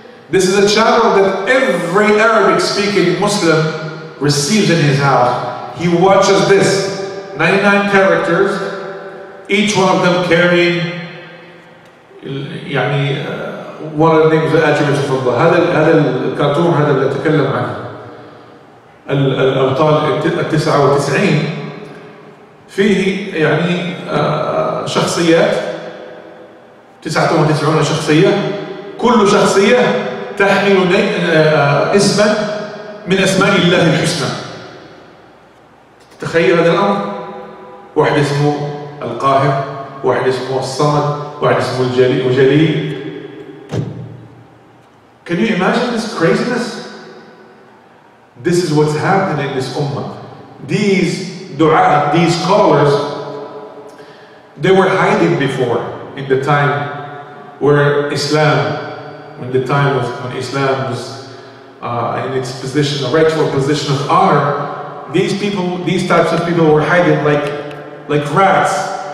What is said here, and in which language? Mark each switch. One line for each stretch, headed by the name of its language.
English: This is a channel that every Arabic speaking Muslim receives in his house. He watches this. 99 characters each one of them carrying يعني what are the names and attributes of Allah.
Arabic: هذا الكرتون هذا اللي أتكلم عنه. الأبطال التسعة والتسعين فيه يعني شخصيات 99 شخصية كل شخصية تحمل اسما من أسماء الله الحسنى. تخيل هذا الأمر، واحد اسمه القاهر، واحد اسمه الصمد، واحد اسمه الجليل.
English: Can you imagine this craziness? This is what's happening in this ummah. These du'a, these scholars, they were hiding before in the time where Islam, when the time was, when Islam was in its position, a rightful position of honor, these people, these types of people were hiding like rats.